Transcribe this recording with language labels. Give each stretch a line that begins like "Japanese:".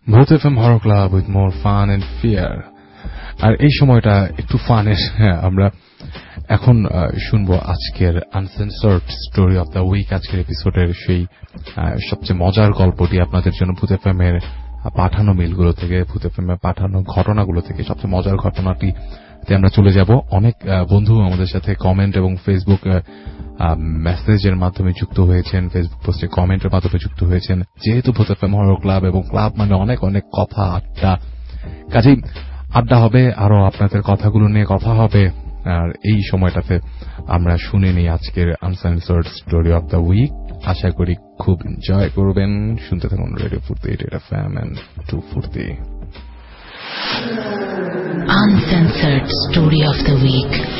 English: FM Horror Club with more fun and fear.
Bangla: আর এই সময়টা একটু ফান এর, আমরা এখন শুনব আজকের আনসেন্সর্ড স্টোরি অফ দ্য উইক, আজকের এপিসোডের সেই সবচেয়ে মজার গল্পটি আপনাদের জন্য ভূত FM এর পাঠানো মেলগুলো থেকে, ভূত FM এর পাঠানো ঘটনাগুলো থেকে সবচেয়ে মজার ঘটনাটি আমরা চলে যাব। অনেক বন্ধু আমাদের সাথে কমেন্ট এবং ফেসবুক মেসেজের মাধ্যমে যুক্ত হয়েছেন, ফেসবুক পোস্টে কমেন্টের মাধ্যমে যুক্ত হয়েছেন, যেহেতু ভূত FM হরর ক্লাব এবং ক্লাব মানে অনেক অনেক কথা আড্ডা, কাজেই আড্ডা হবে আরো আপনাদের কথাগুলো নিয়ে কথা হবে। আর এই সময়টাতে আমরা শুনে নিই আজকের আনসেন্সর্ড স্টোরি অব দ্য উইক, আশা করি খুব এনজয় করবেন। শুনতে থাকুন রেডিও ফুর্তি 88.5 FM and 240।
English: Uncensored Story of the Week.